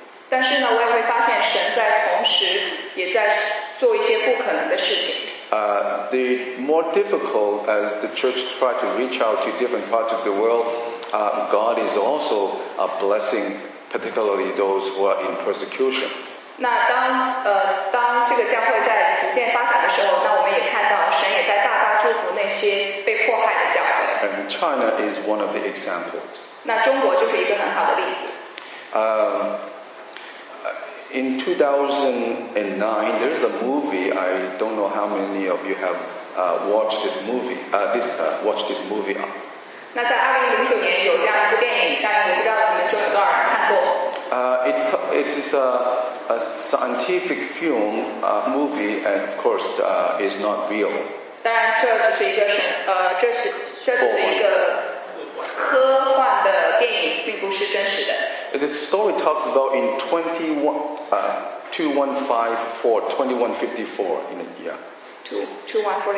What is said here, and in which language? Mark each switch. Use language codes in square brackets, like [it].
[zh] 但是呢，我也会发现神在同时也在做一些不可能的事情。 [en] The more difficult as the church try to reach out to different parts of the world, God is also a blessing. Particularly those who are in persecution. [zh] 那当这个教会在逐渐发展的时候，那我们也看到神也在大大祝福那些被迫害的教会。 [en] And China is one of the examples. [zh] 那中国就是一个很好的例子。 [en] In 2009, there's a movie. I don't know how many of you have watched this movie. Watched this movie. [zh] 那在2009年有这样一部电影上映，我不知道你们中有多少人看过。 [en] It is a scientific film, a movie, and of course, is not real. [zh] 当然，这只是一个这只是一个科幻的电影，并不是真实的。 [en] The story talks about in 2154 in a year.